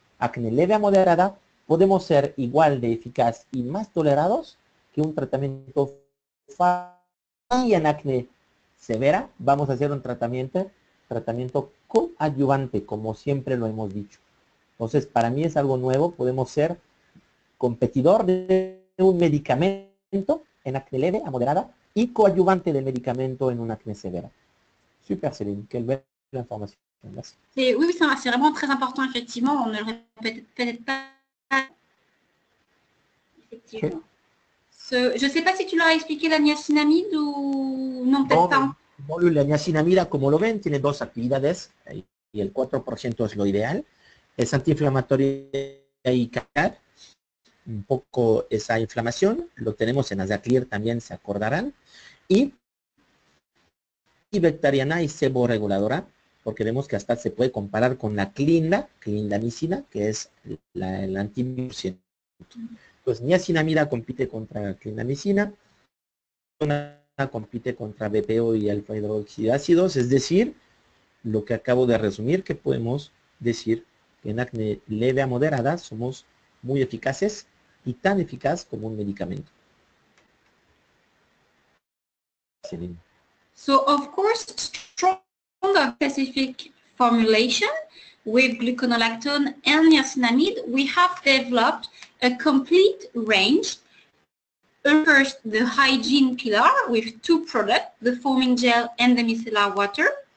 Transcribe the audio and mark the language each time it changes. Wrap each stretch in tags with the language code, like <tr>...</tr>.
<es>Acné leve a moderada podemos ser igual de eficaz y más tolerados que un tratamiento y en acné severa vamos a hacer un tratamiento coadyuvante, como siempre lo hemos dicho. Entonces, para mí es algo nuevo, podemos ser competidor de un medicamento en acné leve a moderada y coadyuvante del medicamento en una acné severa.</es> <fr>Super, Céline, quelle belle information. Merci. Oui, c'est vraiment très important, effectivement. On ne le répète peut-être pas. Effectivement. Je ne sais pas si tu l'as expliqué la niacinamide ou non, peut-être pas.</fr> <es>No, la niacinamida, como lo ven, tiene dos actividades y el 4% es lo ideal. Es antiinflamatorio y calmar un poco esa inflamación. Lo tenemos en Azaclir también, se acordarán. Y Bectariana y sebo reguladora, porque vemos que hasta se puede comparar con la clindamicina, que es el antivirus. Entonces, niacinamida compite contra la clindamicina. Compite contra BPO y alfa hidroxiácidos, es decir, lo que acabo de resumir, que podemos decir que en acné leve a moderada somos muy eficaces y tan eficaz como un medicamento.</es> <en>So of course strong specific formulation with gluconolactone and niacinamide, we have developed a complete range. First, the hygiene pillar with two products, the foaming gel and the micellar water.</en>